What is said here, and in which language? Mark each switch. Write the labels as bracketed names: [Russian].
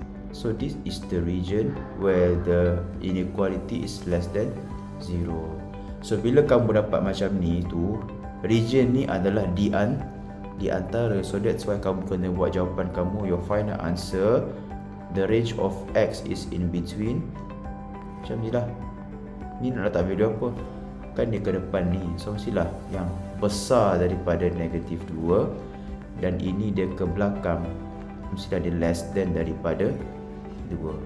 [English] So this is the region where the inequality is less than 0. [Malay] So bila kamu dapat macam ni tu, region ni adalah di antara. [English] So that's why [Malay] kamu kena buat jawapan kamu, [English] your final answer, the range of X is in between. [Malay] Macam ni lah. Ni nak letak video apa? Kan dia ke depan ni. So mestilah yang besar daripada negative 2, dan ini dia ke belakang, mestilah dia [English] less than [Malay] daripada 2.